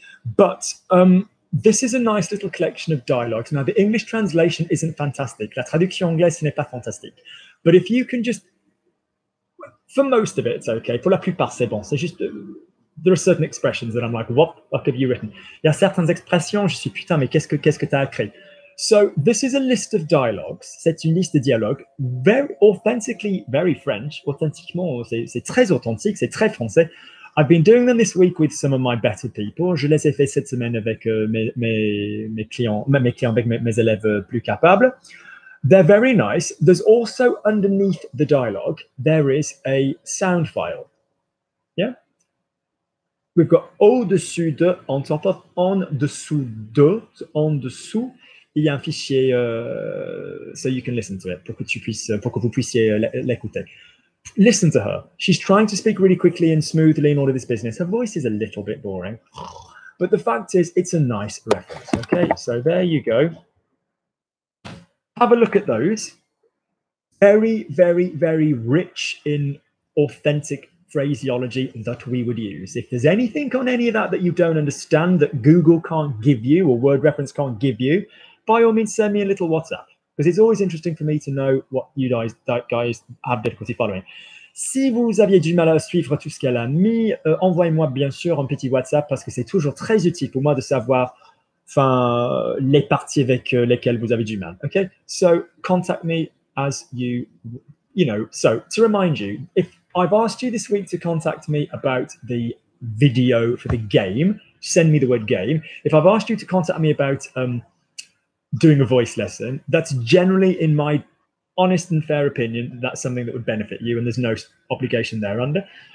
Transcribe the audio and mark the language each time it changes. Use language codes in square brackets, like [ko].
[en] But this is a nice little collection of dialogues. Now, the English translation isn't fantastic. [fr] La traduction anglaise, ce n'est pas fantastique. [en] But if you can just, for most of it, it's okay. [fr] Pour la plupart, c'est bon. C'est juste, [en] there are certain expressions that I'm like, what the fuck have you written? [fr] Il y a certaines expressions, je suis putain, mais qu'est-ce que t'as écrit? [en] So this is a list of dialogues. [fr] C'est une liste de dialogues, [en] very authentically, very French. [fr] Authentiquement, c'est très authentique, c'est très français. [en] I've been doing them this week with some of my better people. [fr] Je les ai fait cette semaine avec mes clients, avec mes élèves plus capables. [en] They're very nice. There's also underneath the dialogue, there is a sound file. Yeah? We've got [fr] au-dessus de, [en] on top of, [fr] en dessous de, en dessous. Il y a un fichier, [en] so you can listen to it, [fr] pour que vous puissiez l'écouter. [en] Listen to her. She's trying to speak really quickly and smoothly in all of this business. Her voice is a little bit boring. But the fact is, it's a nice reference. Okay, so there you go. have a look at those. Very, very, very rich in authentic phraseology that we would use. If there's anything on any of that that you don't understand that Google can't give you or Word Reference can't give you, by all means, send me a little WhatsApp, because it's always interesting for me to know what you guys, that guys have difficulty following. [fr] Si vous aviez du mal à suivre tout ce qu'elle a mis, envoyez-moi bien sûr un petit WhatsApp parce que c'est toujours très utile pour moi de savoir les parties avec lesquelles vous avez du mal. [en] Okay? So contact me as you know. So to remind you, if I've asked you this week to contact me about the video for the game, send me the word game. If I've asked you to contact me about doing a voice lesson, that's generally, in my honest and fair opinion, that's something that would benefit you, and there's no obligation there under.